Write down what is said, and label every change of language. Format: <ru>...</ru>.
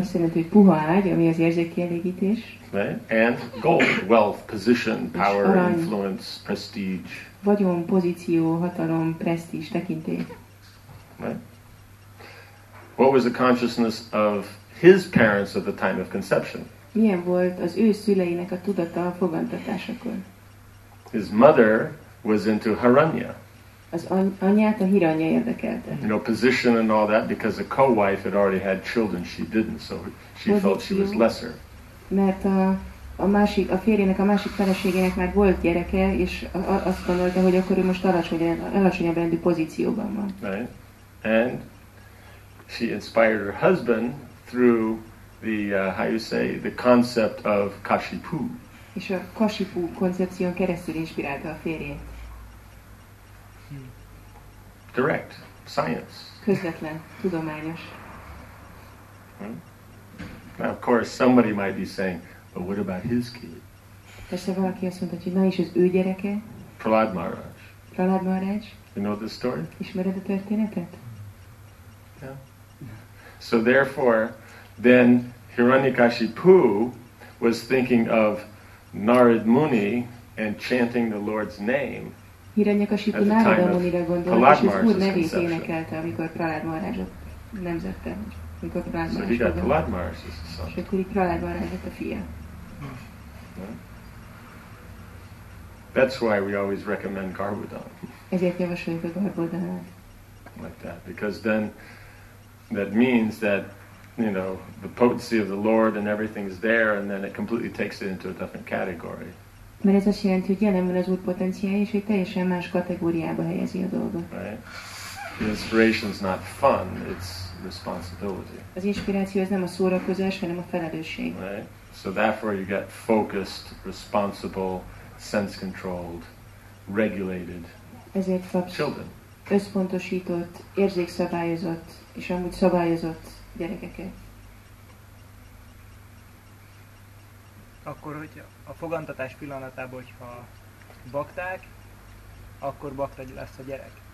<hu>Azt jelenti, hogy puha ágy, ami az érzékkielégítés.</hu> <en>Right. And gold, wealth, position, power, influence, prestige.</en> <hu>Vagyon, pozíció, hatalom, presztízs, tekintély.</hu> <en>Right. What was the consciousness of his parents at the time of conception?</en> <hu>Milyen volt az ő szüleinek a tudata a fogantatásakor?</hu> <en>His mother was into Hiranya.</en> <hu>Az anyát a Hiranya érdekelte.</hu> <en>You know, position and all that, because a co-wife had already had children, she didn't, so she pozíció, felt she was lesser.</en> <hu>Mert a férjének a másik feleségének már volt gyereke, és azt gondolta, hogy akkor ő most alacsonyabb rendű pozícióban van.</hu> <en>Right. And she inspired her husband through the how you say the concept of Kashipu.</en> <hu>És a Kashipu koncepción keresztül inspirálta a férjét.</hu> <en>Direct science.</en> <hu>Közvetlen, tudományos. Hmm?</hu> <en>Now of course somebody might be saying, but what about his kid?</en> <hu>Persze valaki azt mondta, hogy na is az ő gyereke?</hu> <en>Prahlad Maharaj. Prahlad Maharaj. You know this story?</en> <hu>Ismered a történetet?</hu> <en>Yeah. So therefore, then Hiranyakashipu was thinking of Narad Muni and chanting the Lord's name.</en> <hu>Hiranyakashipu Narad Munira gondolt, és az Úr nevét énekelte, amikor Prahlad Maharajot nemzette, amikor Prahlad Maharaj.</hu> <en>So he got Prahlad Maharaj's son.</en> <hu>És akkor Prahlad Maharaj lett a fia.</hu> <en>That's why we always recommend Garbhodhan.</en> <hu>Ezért javasoljuk a Garbhodhanát.</hu> <en>Like that, because then that means that you know, the potency of the Lord and everything is there, and then it completely takes it into a different category.</en> <hu>Mert ez azt jelenti, hogy jelen van az Úr potenciája, és hogy teljesen más kategóriába helyezi a dolgot.</hu> <en>Right? The inspiration is not fun, it's responsibility.</en> <hu>Az inspiráció az nem a szórakozás, hanem a felelősség.</hu> <en>Right? So therefore you get focused, responsible, sense-controlled, regulated</en> <hu>ezért kapsz</hu> <en>children.</en> <hu>Összpontosított, érzékszabályozott, és amúgy szabályozott gyerekeket. Akkor, hogy a fogantatás pillanatában, hogyha bakták, akkor bakta lesz a gyerek.</hu>